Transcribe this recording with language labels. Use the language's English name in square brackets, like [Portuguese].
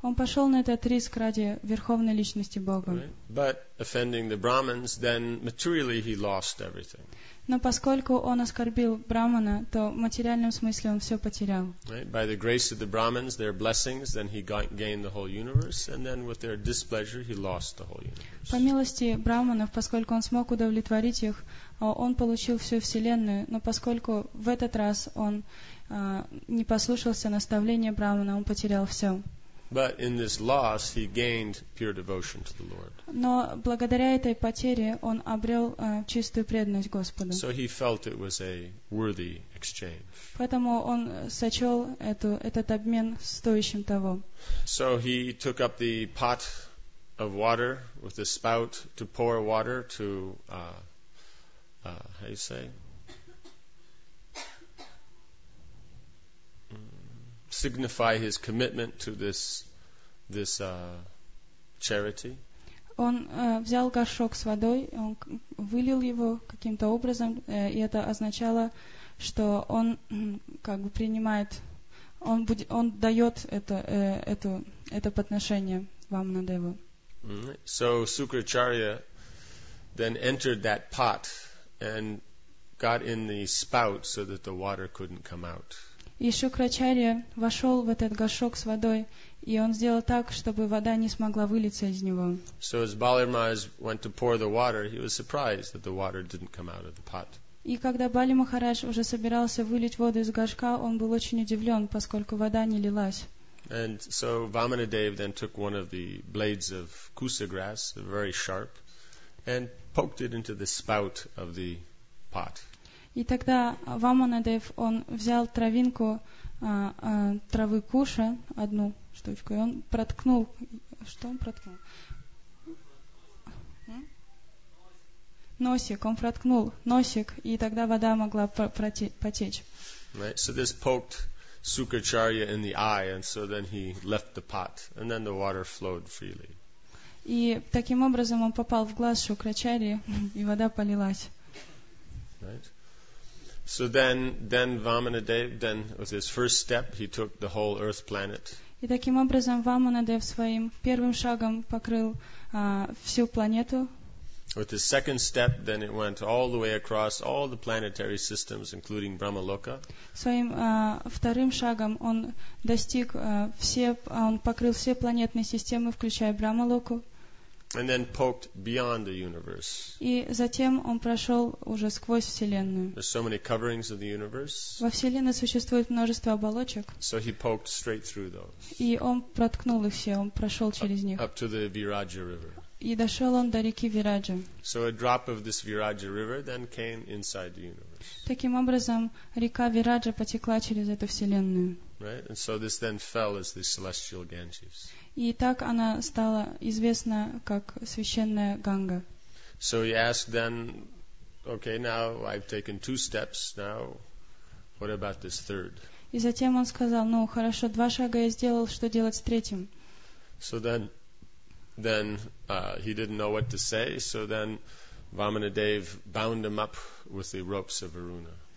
[Russian] Он пошел на этот риск ради Верховной Личности Бога. [English] But offending the Brahmins, then materially he lost everything. [Russian] Но поскольку он оскорбил Брахмана, то в материальном смысле он все потерял. [English] Right? By the grace of the Brahmins, their blessings, then he gained the whole universe, and then with their displeasure, he lost the whole universe. [Russian] По милости Брахманов, поскольку он смог удовлетворить их, он получил всю Вселенную, но поскольку в этот раз он не послушался наставления Брахмана, он потерял все. [English] But in this loss, he gained pure devotion to the Lord. [Russian] Но благодаря этой потере он обрел чистую преданность Господу. [English] So he felt it was a worthy exchange. [Russian] Поэтому он сочел этот обмен стоящим того. [English] So he took up the pot of water with the spout to pour water to how you say? Signify his commitment to this charity. [Russian] Он взял горшок с водой, он вылил его каким-то образом, и это означало, что он как бы принимает, он дает это подношение Ваманадеву. [English] So Sukracharya then entered that pot and got in the spout so that the water couldn't come out. [Russian] И Шукрачарья вошел в этот горшок с водой, и он сделал так, чтобы вода не смогла вылиться из него. [English] So as Balir Maharaj went to pour the water, he was surprised that the water didn't come out of the pot. [Russian] И когда Бали Махарадж уже собирался вылить воду из горшка, он был очень удивлен, поскольку вода не лилась. [English] And so Vamanadeva then took one of the blades of kusa grass, very sharp, and poked it into the spout of the pot. [Russian] И тогда Ваманадев, он взял травинку травы куша, одну штучку, и он проткнул. Что он проткнул? Носик, он проткнул носик, и тогда вода могла потечь. [English] Right, so this poked Sukracharya in the eye, and so then he left the pot, and then the water flowed freely. [Russian] И таким образом он попал в глаз Шукрачарьи, и вода полилась. [English] Right. So then Vamanadev, then with his first step, he took the whole earth planet. [Russian] И таким образом Ваманадев своим первым шагом покрыл всю планету. [English] With his second step, then it went all the way across all the planetary systems, including Brahmaloka. [Russian] Своим вторым шагом он достиг все, он покрыл все планетные системы, включая Брамалоку. [English] And then poked beyond the universe. [Russian] И затем он прошел уже сквозь вселенную. [English] There's so many coverings of the universe. [Russian] Во вселенной существует множество оболочек. [English] So he poked straight through those. [Russian] И он проткнул их все, он прошел через них. [English] Up to the Viraja River. [Russian] И дошел он до реки Вираджа. [English] So a drop of this Viraja River then came inside the universe. [Russian] Таким образом, река Вираджа потекла через эту вселенную. [English] Right, and so this then fell as the celestial Ganges. [Russian] И так она стала известна как священная Ганга. [English] So he asked then, okay, now I've taken two steps. Now, what about this third? [Russian] И затем он сказал: ну хорошо, два шага я сделал, что делать с третьим? [English] So then he didn't know what to say. So then Vamanadev bound him up with the ropes of Varuna.